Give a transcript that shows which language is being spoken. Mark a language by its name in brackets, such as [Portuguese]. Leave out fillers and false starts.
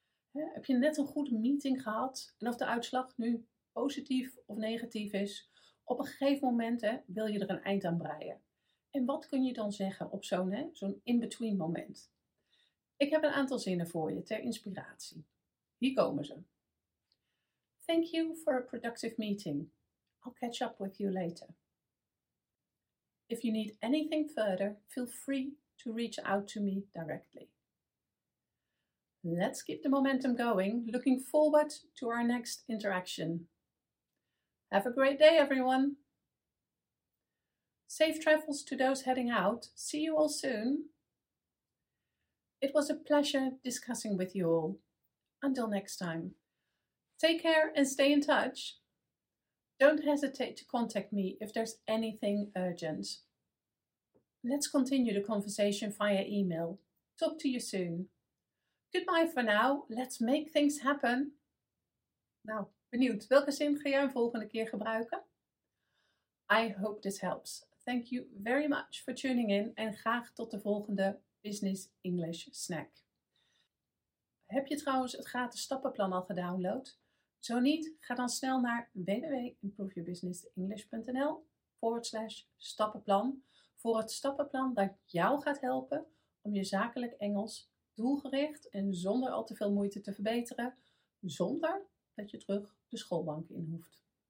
[Dutch] Heb je net een goede meeting gehad en of de uitslag nu positief of negatief is, op een gegeven moment hè, wil je er een eind aan breien. En wat kun je dan zeggen op zo'n in-between moment? Ik heb een aantal zinnen voor je ter inspiratie. Hier komen ze. [English] Thank you for a productive meeting. I'll catch up with you later. If you need anything further, feel free to reach out to me directly. Let's keep the momentum going. Looking forward to our next interaction. Have a great day, everyone. Safe travels to those heading out. See you all soon. It was a pleasure discussing with you all. Until next time. Take care and stay in touch. Don't hesitate to contact me if there's anything urgent. Let's continue the conversation via email. Talk to you soon. Goodbye for now. Let's make things happen. Now. [Dutch] Benieuwd, welke zin ga jij een volgende keer gebruiken? [English] I hope this helps. Thank you very much for tuning in [Dutch] en graag tot de volgende [English] Business English Snack. [Dutch] Heb je trouwens het gratis stappenplan al gedownload? Zo niet, ga dan snel naar www.improveyourbusinessenglish.nl/stappenplan voor het stappenplan dat jou gaat helpen om je zakelijk Engels doelgericht en zonder al te veel moeite te verbeteren, zonder dat je terug de schoolbank in hoeft.